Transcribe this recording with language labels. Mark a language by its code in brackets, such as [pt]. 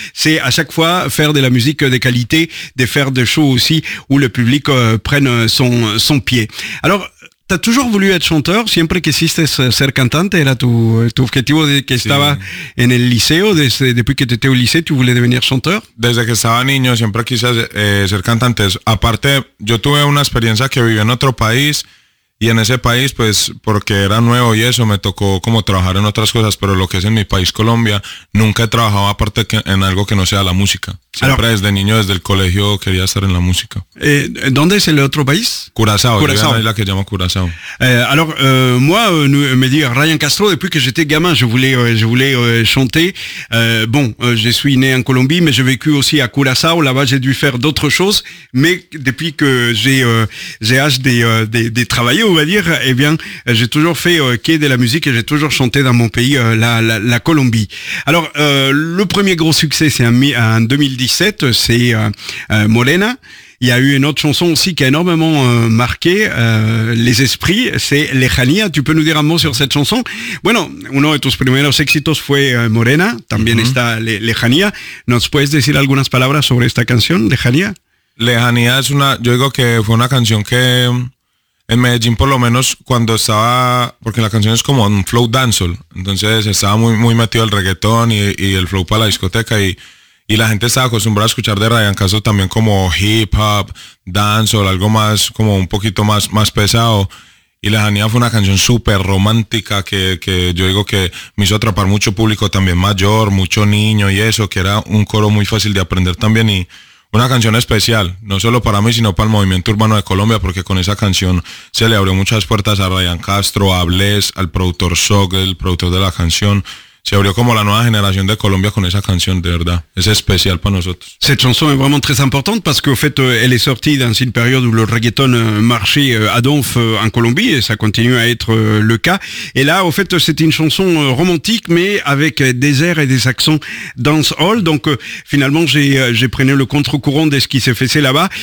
[fr] C'est à chaque fois faire de la musique de qualité, de faire des shows aussi où le public prenne son pied. Alors, t'as toujours voulu être chanteur, [es] siempre quisiste ser cantante, era tu objetivo de que estaba en el liceo, [fr] depuis que tu étais au lycée, tu voulais devenir chanteur? [es] Desde que estaba niño, siempre quise ser cantante. Aparte, yo tuve una experiencia que viví en otro país, y en ese país, pues, porque era nuevo y eso, me tocó como trabajar en otras cosas, pero lo que es en mi país, Colombia, nunca he trabajado aparte que en algo que no sea la música. Siempre alors, desde niño, desde el colegio, quería estar en la música. ¿Dónde es el otro país? Curazao, Curazao. Es la que llamo Curazao. [fr] Alors, moi, me dit Ryan Castro, depuis que j'étais gamin, je voulais chanter. Je suis né en Colombie, mais j'ai vécu aussi à Curazao. Là-bas, j'ai dû faire d'autres choses, mais depuis que j'ai hâte de travailler, on va dire, eh bien, j'ai toujours fait qu'il y ait de la musique et j'ai toujours chanté dans mon pays, la Colombie. Alors, le premier gros succès, c'est en 2017, c'est Morena. Il y a eu une autre chanson aussi qui a énormément marqué les esprits, c'est Lejanía. Tu peux nous dire un mot sur cette chanson? [es] Bueno, uno de tus primeros éxitos fue Morena, también está Lejanía. ¿Nos puedes decir algunas palabras sobre esta canción, Lejanía? Lejanía es una, yo digo que fue una canción que en Medellín, por lo menos, cuando estaba, porque la canción es como un flow dancehall, entonces estaba muy, muy metido el reggaetón y el flow para la discoteca y la gente estaba acostumbrada a escuchar de Ryan Castro también como hip hop, dancehall, algo más, como un poquito más pesado. Y Lejanía fue una canción súper romántica que yo digo que me hizo atrapar mucho público también mayor, mucho niño y eso, que era un coro muy fácil de aprender también y una canción especial, no solo para mí, sino para el movimiento urbano de Colombia, porque con esa canción se le abrió muchas puertas a Ryan Castro, a Bless, al productor Sog, el productor de la canción. Se abrió como la nueva generación de Colombia con esa canción, de verdad. Es especial para nosotros. [fr] Cette chanson est vraiment très importante parce qu'au fait, elle est sortie dans une période où le reggaeton marchait à donf en Colombie et ça continue à être le cas. Et là, au fait, c'est une chanson romantique mais avec des airs et des accents dancehall. Donc finalement, j'ai pris le contre-courant de ce qui s'est fait là-bas.